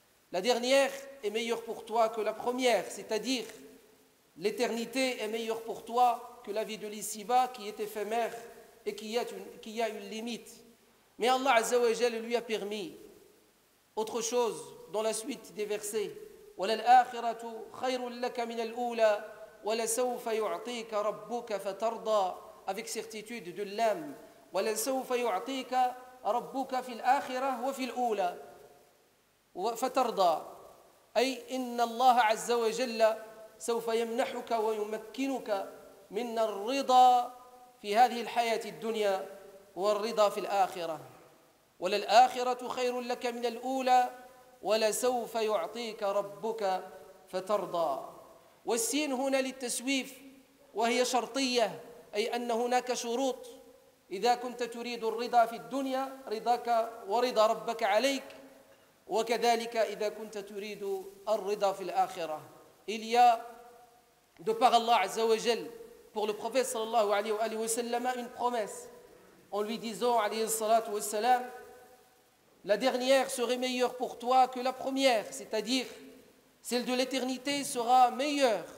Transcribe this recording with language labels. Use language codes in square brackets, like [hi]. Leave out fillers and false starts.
[fr] La dernière est meilleure pour toi que la première, c'est-à-dire l'éternité est meilleure pour toi que la vie de l'ici-bas qui est éphémère et qui a une limite. Mais Allah Azza wa Jal lui a permis autre chose dans la suite des versets. [ar] وللآخرة خير لك من الأولى ولسوف يعطيك ربك فترضى. [fr] Avec certitude de l'âme. [ar] ولسوف يعطيك ربك في الآخرة وفي الأولى فترضى. أي إن الله عز وجل سوف يمنحك ويمكنك من الرضا في هذه الحياة الدنيا والرضا في الآخرة. وللآخرة خير لك من الأولى وَلَسَوْفَ يُعْطِيكَ رَبُّكَ فَتَرْضَى. والسين هنا للتسويف وهي شرطية, أي أن هناك شروط. إذا كنت تريد الرضا في الدنيا رضاك ورضا ربك عليك, وكذلك إذا كنت تريد الرضا في الآخرة. [fr] Il y a de par Allah [ar] عز وجل [fr] pour le prophète [ar] صلى الله عليه وآله وسلم [fr] une promesse en lui disant [ar] عليه الصلاة والسلام: [fr] la dernière serait meilleure pour toi que la première, c'est-à-dire celle de l'éternité sera meilleure.